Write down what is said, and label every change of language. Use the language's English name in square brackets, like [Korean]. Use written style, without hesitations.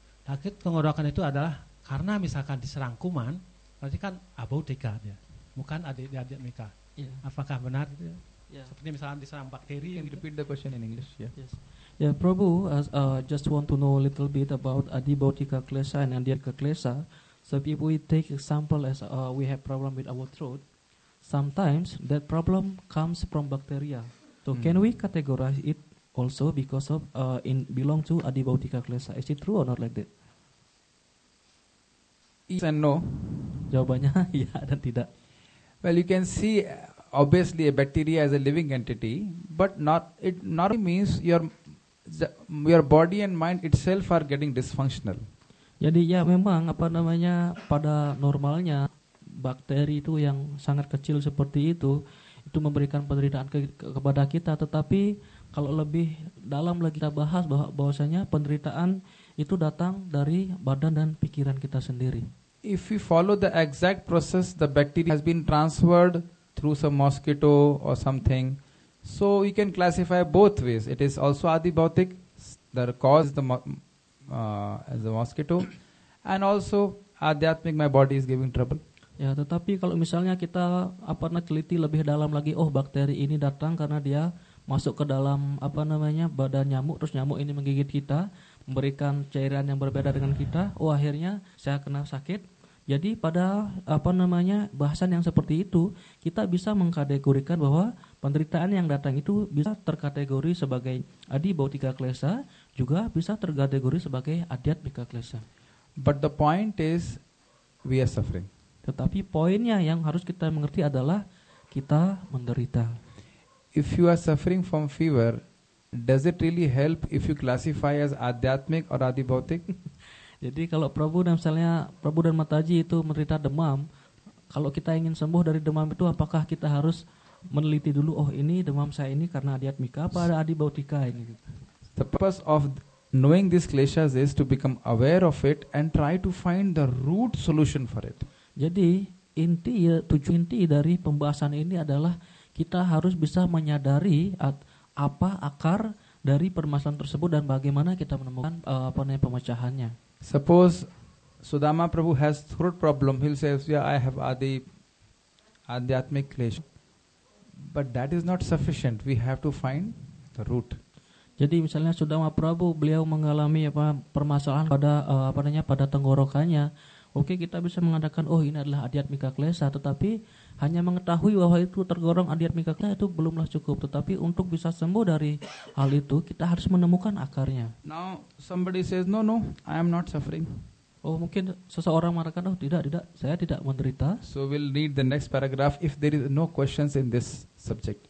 [Indonesian] Sakit tenggorokan itu adalah karena misalkan diserang kuman, berarti kan abautika dia, bukan adiatmika. Yeah. Apakah benar? Yeah. Seperti misalkan diserang bakteri. [English] Can you repeat the question in English? Yeah. Yes. Yeah, Prabhu, just want to know a little bit about Adi Bautika Klesa and Adiatmika Klesa. So if we take example as we have problem with our throat, sometimes that problem comes from bacteria. So can we categorize it also because of in belong to Adi Bautika Klesa? Is it true or not like that? Yes and no. [Indonesian] Jawabannya ya dan tidak. [English] Well, you can see obviously a bacteria as a living entity, but not really means your body and mind itself are getting dysfunctional. [Indonesian] Jadi ya memang pada normalnya bakteri itu yang sangat kecil seperti itu memberikan penderitaan kepada kita. Tetapi kalau lebih dalam lagi kita bahas bahwasanya penderitaan itu datang dari badan dan pikiran kita sendiri. [English] If we follow the exact process, the bacteria has been transferred through some mosquito or something. So we can classify both ways. It is also adibautic, the cause is as a mosquito, and also adhyatmik, my body is giving trouble. [Indonesian] Ya, tetapi kalau misalnya kita teliti lebih dalam lagi, bakteri ini datang karena dia masuk ke dalam badan nyamuk, terus nyamuk ini menggigit kita, memberikan cairan yang berbeda dengan kita, akhirnya saya kena sakit. Jadi pada bahasan yang seperti itu, kita bisa mengkategorikan bahwa penderitaan yang datang itu bisa terkategori sebagai Adi Bautika Klesa, juga bisa terkategori sebagai Adiatmika Klesa. [English] But the point is, we are suffering. [Indonesian] Tetapi poinnya yang harus kita mengerti adalah kita menderita. [English] If you are suffering from fever, does it really help if you classify as adhyatmik or adibautik? [Indonesian] Jadi kalau Prabhu dan Mataji itu menderita demam, kalau kita ingin sembuh dari demam itu, apakah kita harus meneliti dulu, ini demam saya ini karena adhyatmika apa ada adibautika ini? [English] The purpose of knowing these kleshas is to become aware of it and try to find the root solution for it. [Indonesian] Jadi inti dari pembahasan ini adalah kita harus bisa menyadari apa akar dari permasalahan tersebut dan bagaimana kita menemukan pemecahannya. [English] Suppose Sudama Prabhu has throat problem, he'll say, yeah, I have adhyatmik klesha, but that is not sufficient. We have to find the root. [Indonesian] Jadi misalnya Sudama Prabhu beliau mengalami permasalahan pada tenggorokannya. Oke, kita bisa mengatakan ini adalah adhyatmika klesa, tetapi hanya mengetahui bahwa itu tergorong adhyatmika klesa itu belumlah cukup. Tetapi untuk bisa sembuh dari hal itu, kita harus menemukan akarnya. [English] Now somebody says no, I am not suffering. [Indonesian] Mungkin seseorang mengatakan tidak, saya tidak menderita. [English] So we'll read the next paragraph if there is no questions in this subject.